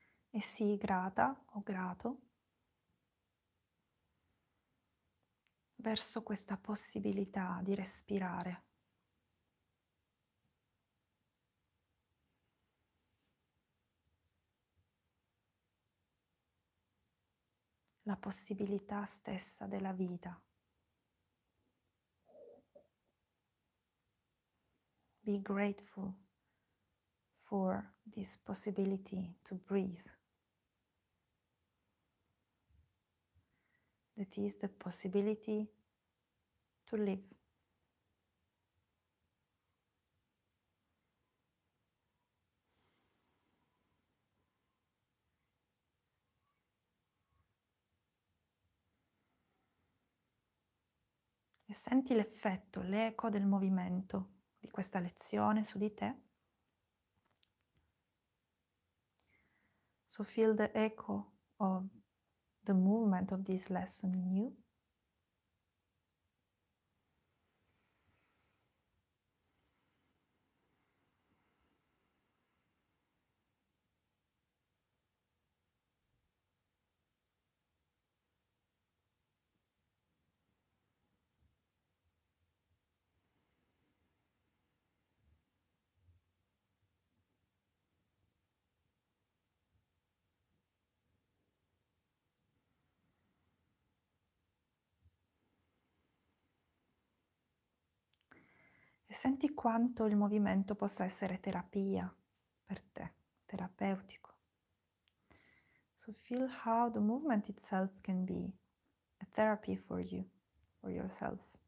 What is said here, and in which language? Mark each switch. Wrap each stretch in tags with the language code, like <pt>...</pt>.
<it>E sii grata o grato verso questa possibilità di respirare. La possibilità stessa della vita.</it> <en>Be grateful for this possibility to breathe. That is the possibility to live.</en> <it>E senti l'effetto, l'eco del movimento di questa lezione su di te.</it> <en>So feel the echo of the movement of this lesson in you.</en> <it>E senti quanto il movimento possa essere terapia per te, terapeutico.</it> <en>So feel how the movement itself can be a therapy for you, for yourself.</en>